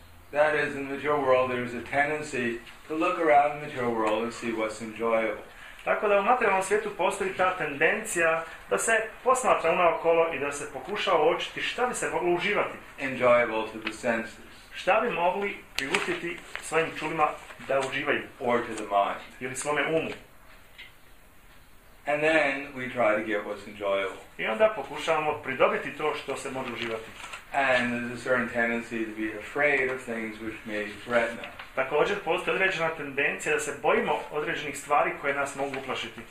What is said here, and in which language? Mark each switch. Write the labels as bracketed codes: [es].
[en] That is, in the material world, there is a tendency to look around the material world and see what's enjoyable. [bs] Tako da u materijalnom svijetu postoji ta tendencija da se posmatra unaokolo i da se pokuša uočiti šta bi se moglo uživati. [en] Enjoyable to the senses. [bs] Šta bi mogli priuštiti svojim čulima da uživaju. [en] Or to the mind. [bs] Ili svome umu. [en] And then we try to get what's enjoyable. [bs] I onda pokušavamo pridobiti to što se može uživati. [en] And there's a certain tendency to be afraid of things which may threaten us. [bs] Također postoji određena tendencija da se bojimo određenih stvari koje nas mogu uplašiti.